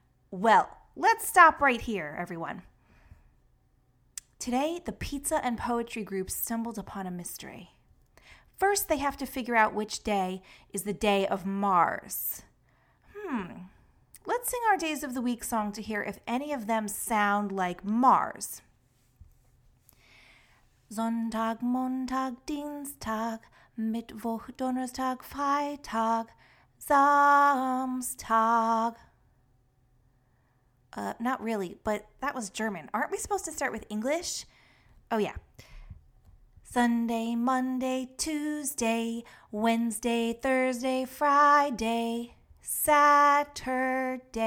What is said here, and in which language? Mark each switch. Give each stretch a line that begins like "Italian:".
English: Well, let's stop right here, everyone. Today, the pizza and poetry group stumbled upon a mystery. First, they have to figure out which day is the day of Mars. Let's sing our Days of the Week song to hear if any of them sound like Mars.
German: Sonntag, Montag, Dienstag, Mittwoch, Donnerstag, Freitag, Samstag.
English: Not really, but that was German. Aren't we supposed to start with English? Oh, yeah. Sunday, Monday, Tuesday, Wednesday, Thursday, Friday, Saturday.